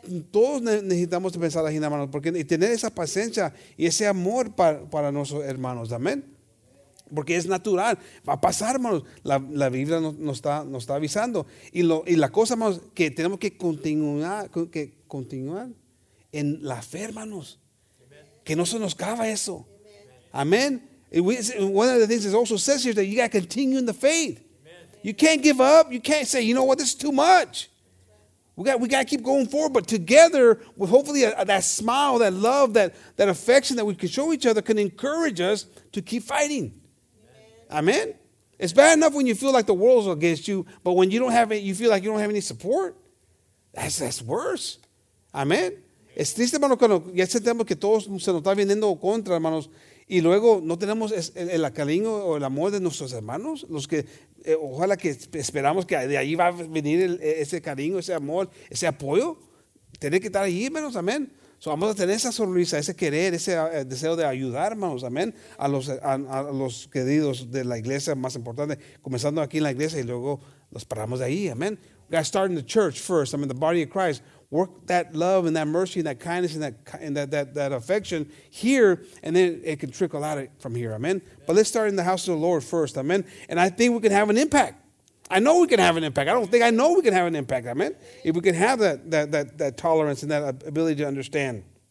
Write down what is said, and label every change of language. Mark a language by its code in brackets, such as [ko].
[es] Todos necesitamos pensar así, hermanos, porque y tener esa paciencia y ese amor para nuestros hermanos, amén. Porque es natural, va a pasar, hermanos. La Biblia nos está avisando. Y la cosa, hermanos, que tenemos que continuar en la fe, hermanos. Amen. Que no se nos acaba eso. Amén. [en] One of the things that also says here that you got to continue in the faith. Amen. You can't give up. You can't say, you know what, this is too much. We got to keep going forward, but together with hopefully that smile, that love, that affection that we can show each other can encourage us to keep fighting. Amen. It's bad enough when you feel like the world's against you, but when you don't have it, you feel like you don't have any support. That's worse. Amen. [es] Es triste, hermano, cuando ya sentimos que todos se nos está viniendo contra, hermanos, y luego no tenemos el cariño o el amor de nuestros hermanos, los que ojalá que esperamos que de ahí va a venir ese cariño, ese amor, ese apoyo. Tiene que estar ahí, hermanos, amén. So vamos a tener esa sonrisa, ese querer, ese deseo de ayudar, hermanos, amén, a los queridos de la iglesia más importante, comenzando aquí en la iglesia y luego nos paramos de ahí, amén. [en] Guys, start in the church first, I mean, the body of Christ. Work that love and that mercy and that kindness and that affection here, and then it can trickle out from here. Amen. But let's start in the house of the Lord first. Amen. And I think we can have an impact. I know we can have an impact. I know we can have an impact. Amen. If we can have that tolerance and that ability to understand.